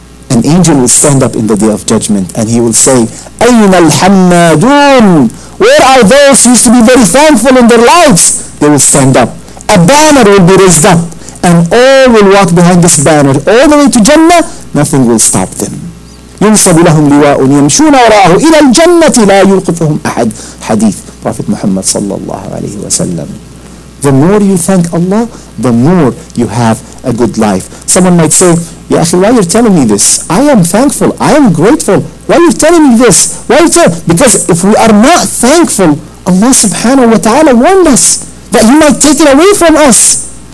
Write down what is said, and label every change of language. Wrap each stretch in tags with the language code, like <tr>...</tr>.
<en>An angel will stand up in the day of judgment and he will say,</en> <ar>أَيْنَ الْحَمَّادُونَ?</ar> <en>Where are those who used to be very thankful in their lives? They will stand up. A banner will be raised up and all will walk behind this banner all the way to Jannah. Nothing will stop them.</en> <ar>يُنْصَبُ لَهُمْ لِوَاءٌ يَمْشُونَ وَرَاهُ إِلَى الْجَنَّةِ لَا يُلْقِفُهُمْ أَحَدٌ. Hadith.</ar> <en>Prophet Muhammad sallallahu alayhi wa sallam. The more you thank Allah, the more you have a good life. Someone might say, Ya akhi, why are you telling me this? I am thankful, I am grateful. Why are you telling me this? Why are you telling? Because if we are not thankful, Allah subhanahu wa ta'ala warned us that He might take it away from us.</en>